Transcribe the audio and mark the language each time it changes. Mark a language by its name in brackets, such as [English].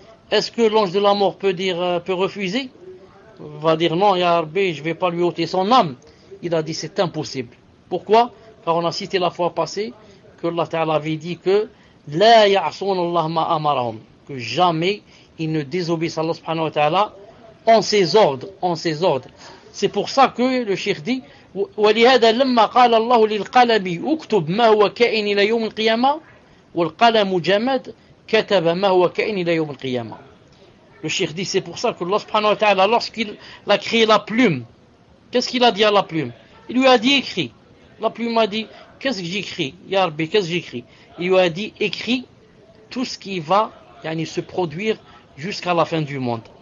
[French] Est-ce que l'ange de la mort peut refuser? Va dire non, ya Rabbi, je ne vais pas lui ôter son âme. Il a dit c'est impossible. Pourquoi? Car on a cité la fois passée que Allah ta'ala avait dit que la ya'asun Allah ma amarahum, que jamais ils ne désobéissent à Allah subhanahu wa ta'ala en ses ordres. C'est pour ça que le cheikh dit [Arabic] ولهذا لما قال الله للقلم اكتب ما هو كائن الى يوم القيامه والقلم جمد كتب ما هو كائن الى يوم القيامه. [French] Le cheikh dit c'est pour ça que Allah subhanahu wa ta'ala, lorsqu'il a créé la plume, qu'est-ce qu'il a dit à la plume? Il lui a dit écris. La plume a dit qu'est-ce que j'écris, ya Rabbi, qu'est-ce que j'écris? Il lui a dit écris tout ce qui va yani se produire jusqu'à la fin du monde.